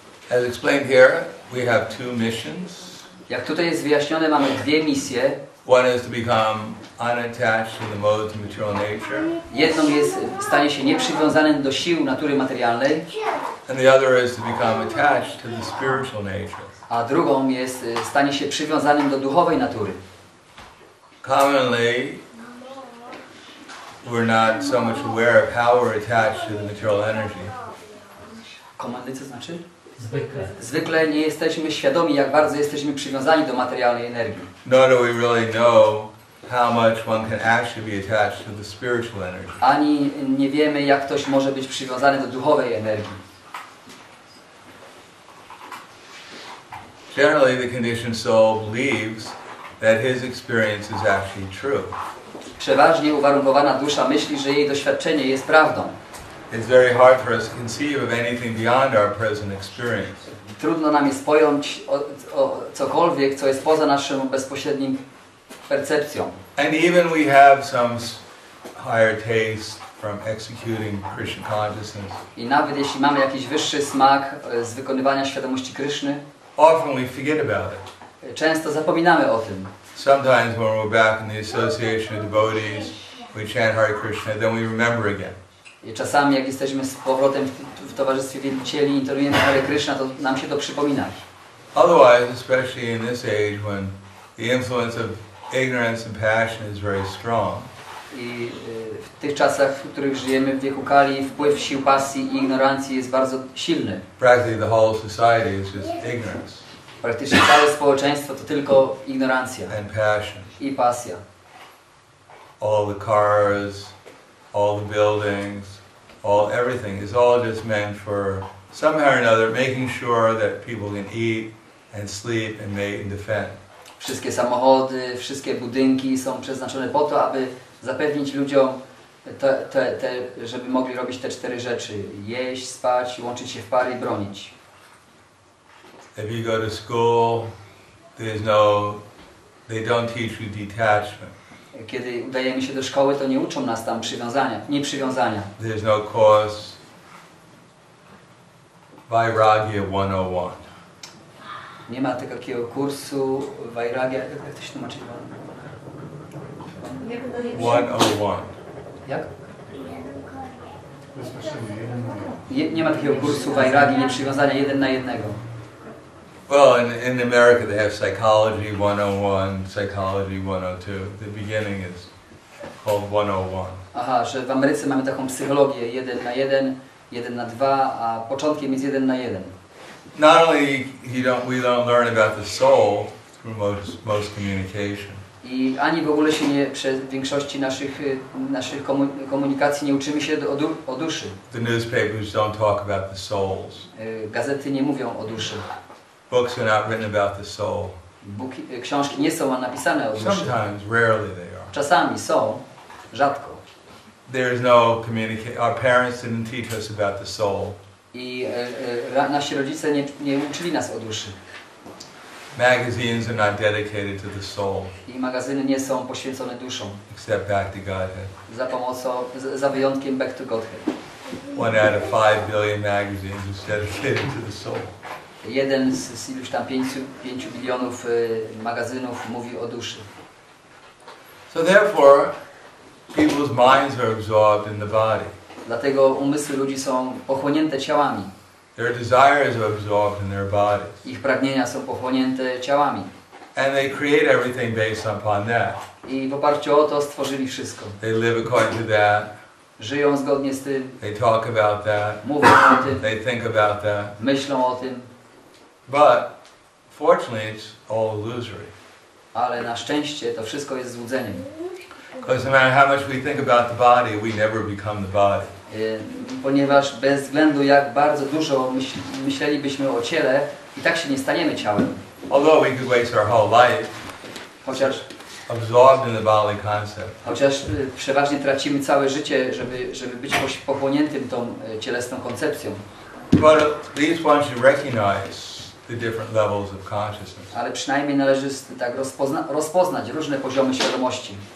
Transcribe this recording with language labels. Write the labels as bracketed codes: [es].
[en] As explained here, we have two missions. [pl] Jak tutaj jest wyjaśnione, mamy dwie misje. [en] One is to become unattached to the modes of material nature. [pl] Jedną jest stanie się nieprzywiązanym do sił natury materialnej. [en] And the other is to become attached to the spiritual nature. [pl] A drugą jest stanie się przywiązanym do duchowej natury. [en] Commonly, we're not so much aware of how we're attached to the material energy. [pl] Commonly, co znaczy? Zwykle nie jesteśmy świadomi, jak bardzo jesteśmy przywiązani do materialnej energii. [en] Nor do we really know how much one can actually be attached to the spiritual energy. [pl] Ani nie wiemy, jak ktoś może być przywiązany do duchowej energii. [en] Generally, the conditioned soul believes that his experience is actually true. [pl] Przeważnie uwarunkowana dusza myśli, że jej doświadczenie jest prawdą. [en] It's very hard for us to conceive of anything beyond our present experience. [pl] Trudno nam jest pojąć o cokolwiek, co jest poza naszą bezpośrednią percepcją. [en] And even we have some higher taste from executing Krishna consciousness. [pl] I nawet jeśli mamy jakiś wyższy smak z wykonywania świadomości Kryszny, [en] often we forget about it. [pl] Często zapominamy o tym. [en] Sometimes when we're back in the association of devotees, we chant Hare Krishna, then we remember again. [pl] I czasami, jak jesteśmy z powrotem w towarzystwie wielbicieli i intonujemy Hare Krishna, to nam się to przypomina. [en] Otherwise, especially in this age when the influence of ignorance and passion is very strong. [pl] I w tych czasach, w których żyjemy, w wieku Kali, wpływ sił pasji i ignorancji jest bardzo silny. [en] Practically the whole society is just ignorance. [pl] Praktycznie całe społeczeństwo to tylko ignorancja. [en] And passion. [pl] I pasja. [en] All the cars, all the buildings, all everything is all just meant for somehow or another making sure that people can eat and sleep and mate and defend. [pl] Wszystkie samochody, wszystkie budynki są przeznaczone po to, aby zapewnić ludziom te, żeby mogli robić te cztery rzeczy: jeść, spać, łączyć się w pary i bronić. [en] If you go to school, there's no, they don't teach you detachment. [pl] Kiedy udajemy się do szkoły, to nie uczą nas tam przywiązania, nieprzywiązania. [en] There's no course Vairagya 101. [pl] Nie ma takiego kursu Vairagya, jak to się tłumaczy? [en] 101. [pl] Jak? Nie ma takiego kursu Vairagya, nieprzywiązania, jeden na jednego. [en] Well, in America they have psychology 101, psychology 102. The beginning is called 101. [pl] Aha, że w Ameryce mamy taką psychologię 1 na 1, 1 na 2, a początkiem jest 1 na 1. [en] Not only we don't learn about the soul through most communication. [pl] I ani w ogóle się nie przez większości naszych komunikacji nie uczymy się o duszy. [en] The newspapers don't talk about the souls. [pl] Gazety nie mówią o duszy. [en] Books are not written about the soul. [pl] Książki nie są napisane o duszy. [en] Sometimes, rarely they are. [pl] Czasami są, rzadko. [en] There is no communication. Our parents didn't teach us about the soul. [pl] I nasi rodzice nie uczyli nas o duszy. [en] Magazines are not dedicated to the soul. [pl] I magazyny nie są poświęcone duszą. [en] Except Back to Godhead. [pl] Za wyjątkiem Back to Godhead. [en] One out of 5 billion magazines is dedicated to the soul. [pl] Jeden z iluś tam 5 bilionów magazynów mówi o duszy. [en] So therefore, people's minds are absorbed in the body. [pl] Dlatego umysły ludzi są pochłonięte ciałami. [en] Their desires are absorbed in their bodies. [pl] Ich pragnienia są pochłonięte ciałami. [en] And they create everything based upon that. [pl] I w oparciu o to stworzyli wszystko. [en] They live according to that. [pl] Żyją zgodnie z tym. [en] They talk about that. [pl] Mówią o tym. [en] They think about that. [pl] Myślą o tym. [en] But fortunately, it's all illusory. [pl] Ale na szczęście to wszystko jest złudzeniem. [en] Because no matter how much we think about the body, we never become the body. [pl] Ponieważ bez względu jak bardzo dużo myślelibyśmy o ciele, i tak się nie staniemy ciałem. [en] Although we could waste our whole life. Absorbed in the bodily concept. [pl] Chociaż przeważnie tracimy całe życie, żeby być pochłoniętym tą cielesną koncepcją. [en] But at least one should recognize the different levels of consciousness. [pl] Ale przynajmniej należy tak rozpoznać różne poziomy świadomości.